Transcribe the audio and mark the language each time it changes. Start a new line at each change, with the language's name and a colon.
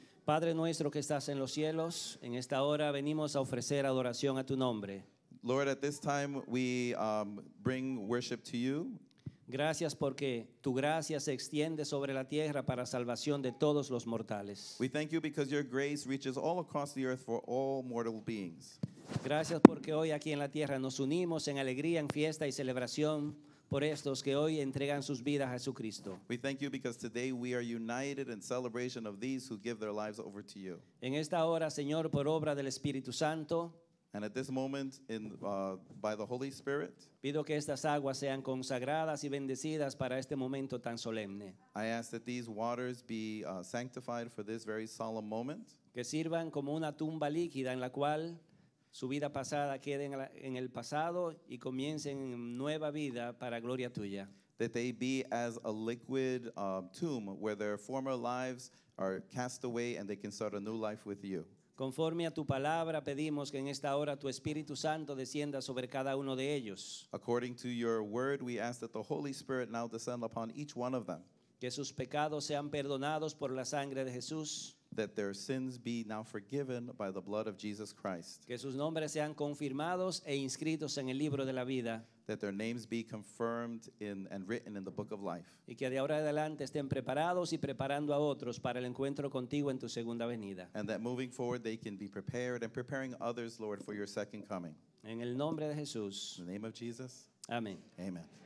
Spanish: Padre nuestro que estás en los cielos, en esta hora venimos a ofrecer adoración a tu nombre.
English: Lord, at this time we bring worship to you.
Spanish: Gracias porque tu gracia se extiende sobre la tierra para salvación de todos los mortales.
English: We thank you because your grace reaches all across the earth for all mortal beings.
Spanish: Gracias porque hoy aquí en la tierra nos unimos en alegría, en fiesta y celebración por estos que hoy entregan sus vidas a Jesucristo.
English: We thank you because today we are united in celebration of these who give their lives over to you.
Spanish: En esta hora, Señor, por obra del Espíritu Santo,
English: and at this moment, by the Holy Spirit,
Spanish: pido que estas aguas sean consagradas y bendecidas para este momento tan solemne.
English: I ask that these waters be sanctified for this very solemn moment.
Spanish: Que sirvan como una tumba líquida en la cual su vida pasada quede en el pasado y comiencen nueva vida para gloria tuya.
English: That they be as a liquid tomb where their former lives are cast away and they can start a new life with you.
Spanish: Conforme a tu palabra, pedimos que en esta hora tu Espíritu Santo descienda sobre cada uno de ellos.
English: According to your word, we ask that the Holy Spirit now descend upon each one of them.
Spanish: Que sus pecados sean perdonados por la sangre de Jesús.
English: That their sins be now forgiven by the blood of Jesus Christ.
Spanish: Que sus nombres sean confirmados e inscritos en el libro de la vida.
English: That their names be confirmed in and written in the book of life.
Spanish: Y que de ahora adelante estén preparados y preparando a otros para el encuentro contigo en tu segunda venida.
English: And that moving forward they can be prepared and preparing others, Lord, for your second coming.
Spanish: En el nombre de Jesús.
English: In the name of Jesus. Amen. Amen.